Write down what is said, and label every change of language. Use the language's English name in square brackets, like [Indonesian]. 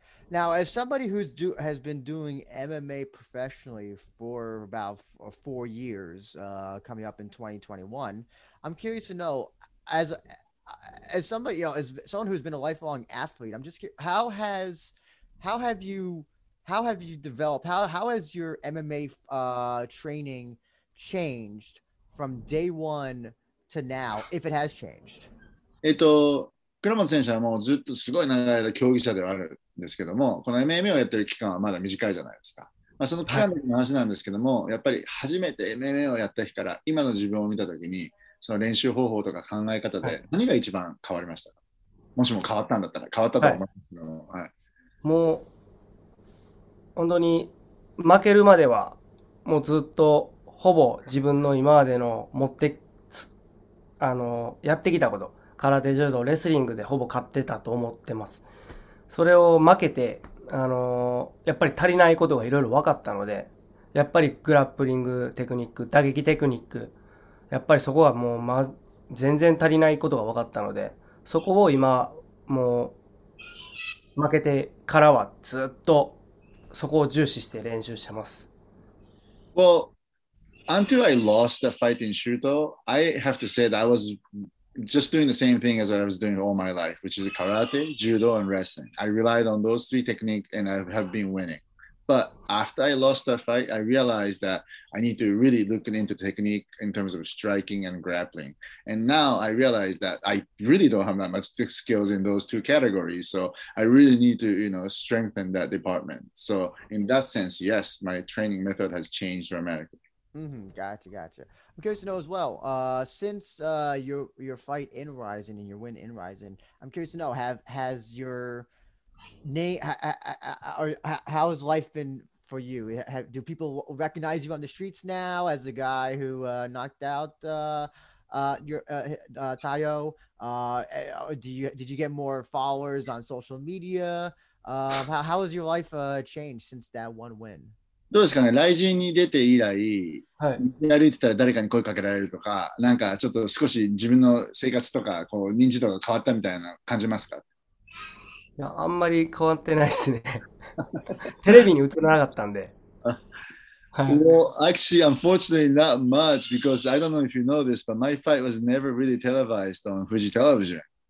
[English] Now, as somebody who's do has been doing MMA professionally for about 4 years, coming up in 2021, I'm curious to know, as somebody, as someone who's been a lifelong athlete, I'm just curious, how have you How have you developed? How has your MMA training changed from day one to now, if it has changed? [Japanese] 倉本選手はもうずっとすごい長い間競技者ではあるんですけども、この MMA をやってる期間はまだ短いじゃないですか。まあ、その期間の話なんですけども、やっぱり初めて MMA をやった日から今の自分を見たときに、その練習方法とか考え方で何が一番変わりましたか？もしも変わったんだったら、変わったと思いますけども。はい。もう本当に負けるまではもうずっとほぼ自分の今までの持ってつあのやってきたこと、空手柔道レスリングでほぼ勝ってたと思ってます。それを負けて、やっぱり足りないことがいろいろ分かったので、やっぱりグラップリングテクニック、打撃テクニック、やっぱりそこはもう、全然足りないことが分かったので、そこを今もう負けてからはずっとそこを重視して練習してます。 [English] Well, until I lost the fight in Shooto, I have to say that I was just doing the same thing as I was doing all my life, which is karate, judo, and wrestling. I relied on those three techniques and I have been winning. But after I lost the fight, I realized that I need to really look into technique in terms of striking and grappling. And now I realize that I really don't have that much skills in those two categories. So I really need to, strengthen that department. So in that sense, yes, my training method has changed dramatically. Gotcha. I'm curious to know as well. Since your fight in Rizin and your win in Rizin, I'm curious to know, has your name, or how has life been for you? Do people recognize you on the streets now as a guy who knocked out your Tayo? Did you get more followers on social media? How has your life changed since that one win? [Japanese] どうですかね、雷神に出て以来、歩いてたら誰かに声かけられるとか、なんかちょっと少し自分の生活とか、こう認知度が変わったみたいな感じますか？いや、あんまり変わってないですね。テレビに映らなかったんで。 [English] Well, actually, unfortunately, not much because I don't know if you know this, but my fight was never really televised on Fuji Television.